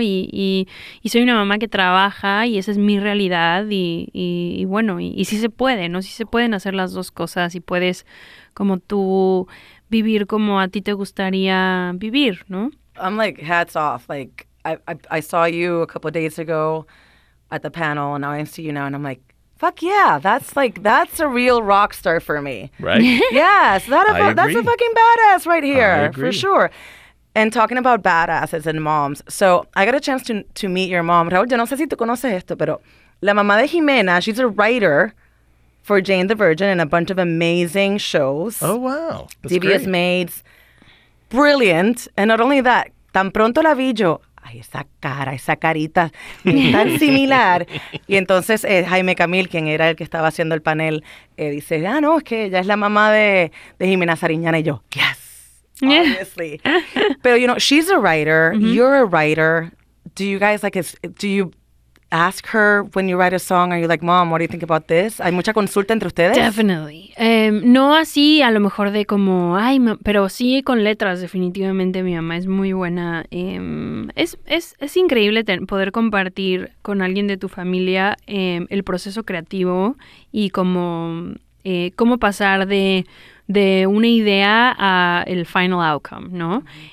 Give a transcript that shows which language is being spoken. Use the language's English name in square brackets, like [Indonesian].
[Spanish] Y soy una mamá que trabaja y esa es mi realidad y bueno, y sí se puede, ¿no? Sí se pueden hacer las dos cosas y puedes, como tú, vivir como a ti te gustaría vivir, ¿no? [English] I'm like, hats off, like, I saw you a couple of days ago at the panel and now I see you now and I'm like, fuck yeah, that's a real rock star for me. Right? Yes, that's a fucking badass right here, for sure. And talking about badasses and moms, so I got a chance to meet your mom. [Spanish] Raúl, yo no sé si tú conoces esto, pero la mamá de Ximena, [English] she's a writer for Jane the Virgin and a bunch of amazing shows. Oh, wow. Devious Maids, brilliant. And not only that, [Spanish] tan pronto la vi yo, ay, esa cara, esa carita tan similar. Y entonces Jaime Camil, quien era el que estaba haciendo el panel, dice, ah, no, es que ella es la mamá de Jimena Sariñana. Y yo, [English] yes, obviously. Pero, you know, she's a writer, mm-hmm. you're a writer. Do you guys, like, do you ask her when you write a song? Are you like, mom, what do you think about this? [Spanish] ¿Hay mucha consulta entre ustedes? [English] Definitely. [Spanish] No así, a lo mejor de como, ay, pero sí con letras, definitivamente. Mi mamá es muy buena. Es increíble poder compartir con alguien de tu familia el proceso creativo y como cómo pasar de una idea a el [English] final outcome, [Spanish] ¿no?